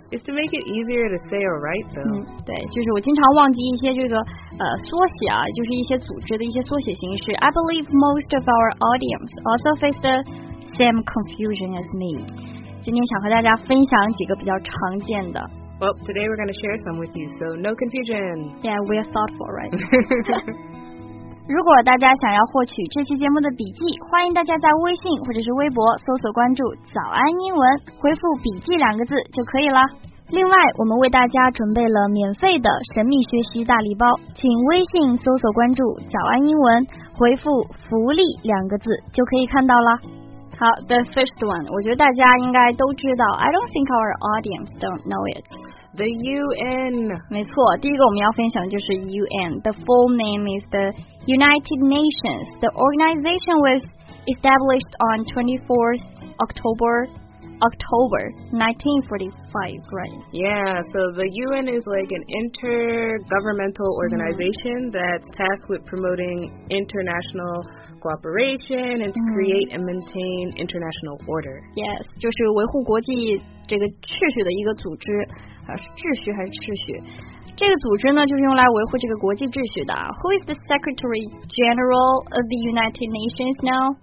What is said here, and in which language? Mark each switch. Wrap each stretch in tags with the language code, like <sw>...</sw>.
<en>It's to make it easier to say or write, though.</en> <zh>对，就是我经常忘记一些这个缩写啊，就是一些组织的一些缩写形式。</zh> <en>I believe most of our audience also face the same confusion as me.</en> <zh>今天想和大家分享几个比较常见的。</zh> <en>Well, today we're going to share some with you, so no confusion. Yeah, we're thoughtful, right?</en> <zh>如果大家想要获取这期节目的笔记，欢迎大家在微信或者是微博搜索关注早安英文，回复笔记两个字就可以了。另外，我们为大家准备了免费的神秘学习大礼包，请微信搜索关注早安英文，回复福利两个字就可以看到了。好，</zh> <en>the first one，</en> <zh>我觉得大家应该都知道。</zh> <en>I don't think our audience don't know it。 The UN.</en> <zh>没错，第一个我们要分享的就是 UN.</zh> <en>The full name is the United Nations. The organization was established on 24th October 1945, right? Yeah, so the UN is like an intergovernmental organization that's tasked with promoting international cooperation and to create and maintain international order.</en> <zh>Yes, 就是维护国际这个秩序的一个组织，秩序还是秩序？这个组织呢，就是用来维护这个国际秩序的。</zh> <en>Who is the Secretary General of the United Nations now?</en>